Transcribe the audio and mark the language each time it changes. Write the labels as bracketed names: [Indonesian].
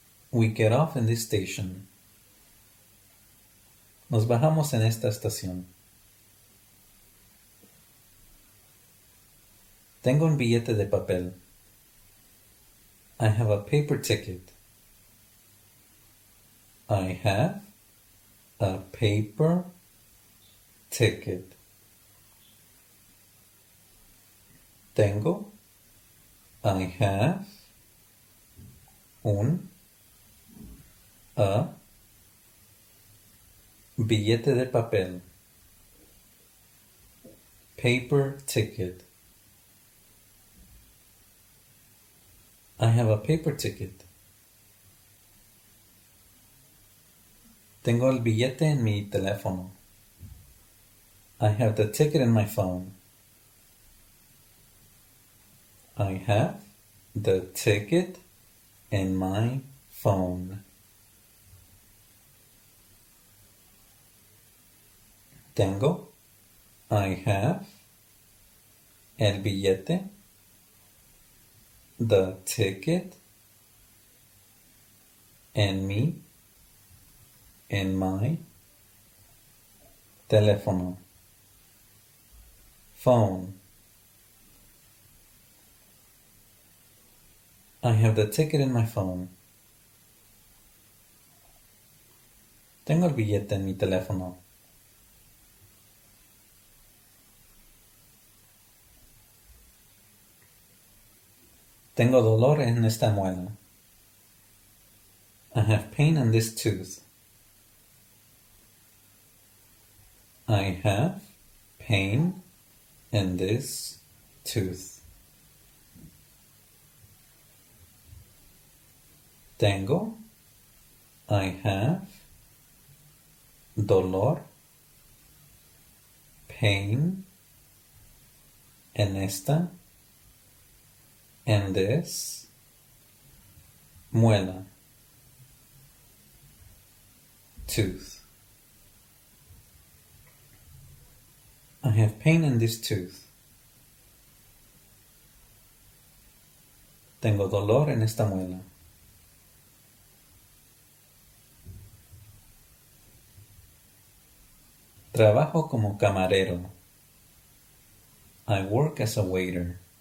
[English] We get off in this station. [Spanish] Nos bajamos en esta estación. Tengo un billete de papel. [English] I have a paper ticket. I have a paper ticket. [Spanish] Tengo. [English] I have [Spanish] un. A billete de papel. [English] Paper ticket. I have a paper ticket. [Spanish] Tengo el billete en mi teléfono. [English] I have the ticket in my phone. I have the ticket in my phone. [Spanish] Tengo, [English] I have, [Spanish] el billete, [English] the ticket, [Spanish] en mi, en [English] my, [Spanish] teléfono, [English] phone. I have the ticket in my phone. [Spanish] Tengo el billete en mi teléfono. Tengo dolor en esta muela. [English] I have pain in this tooth. I have pain in this tooth. [Spanish] Tengo, [English] I have [Spanish] dolor, [English] pain [Spanish] en esta. [English] And this [Spanish] muela [English] tooth. I have pain in this tooth. [Spanish] Tengo dolor en esta muela. Trabajo como camarero. [English] I work as a waiter.